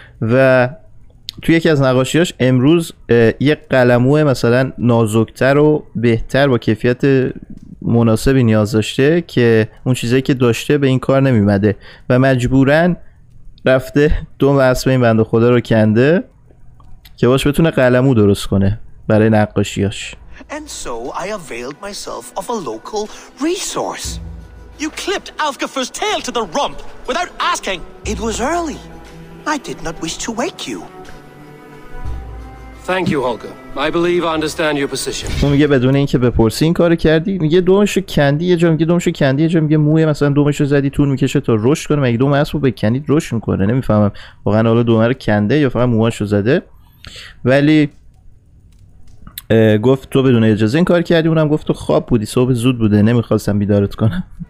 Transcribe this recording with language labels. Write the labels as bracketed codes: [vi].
[fa] و توی یکی از نقاشیاش امروز یک قلموه مثلا نازکتر و بهتر با کیفیت مناسبی نیاز داشته که اون چیزایی که داشته به این کار نمیمده و مجبورن رفته دوم اسم این بنده خدا رو کنده که باش بتونه قلمو درست کنه برای نقاشیاش. [en] And so I availed myself of a local resource. You clipped Alfgafur's tail to the rump without asking. It was early. I did not wish to wake you. Thank you, Holger. I believe I understand your position. [fa] اون میگه بدون اینکه بپرسی این کارو کردی؟ میگه دومشو کندی یه جا، میگه دومشو کندی یه جا، میگه موی مثلا دومشو زدی تون میکشه تا رشد کنه، مگه دوم اسبو بکنید رشد میکنه؟ نمیفهمم واقعا حالا دوم رو کنده یا فقط موهاشو زده. ولی گفت تو بدون اجازه این کار کردی، اونم گفت تو خواب بودی، صبح زود بوده، نمیخواستم بیدارت کنم.